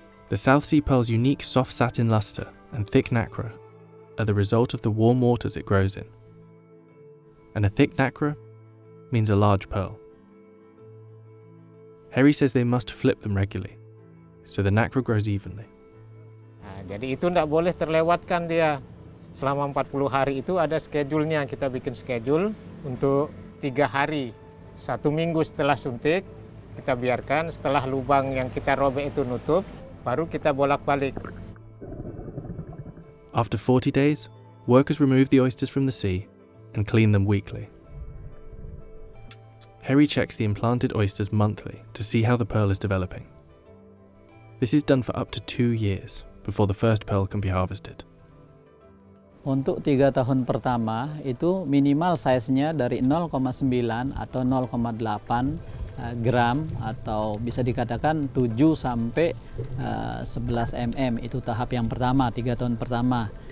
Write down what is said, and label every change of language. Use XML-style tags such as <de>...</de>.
<en>The South Sea pearl's unique soft satin luster and thick nacre are the result of the warm waters it grows in. And a thick nacre means a large pearl. Harry says they must flip them regularly, so the nacre grows evenly.</en> <id>Jadi itu tidak boleh terlewatkan dia. Selama 40 hari itu ada schedule-nya. Kita bikin schedule untuk 3 hari. Satu minggu setelah suntik, kita biarkan. Setelah lubang yang kita robek itu nutup, baru kita bolak-balik.</id> <en>After 40 days, workers remove the oysters from the sea and clean them weekly. Harry checks the implanted oysters monthly to see how the pearl is developing. This is done for up to 2 years before the first pearl can be harvested.</en> <id>Untuk 3 tahun pertama itu minimal size-nya dari 0,9 atau 0,8 gram atau bisa dikatakan 7 sampai 11 mm itu tahap yang pertama 3 tahun pertama.</id>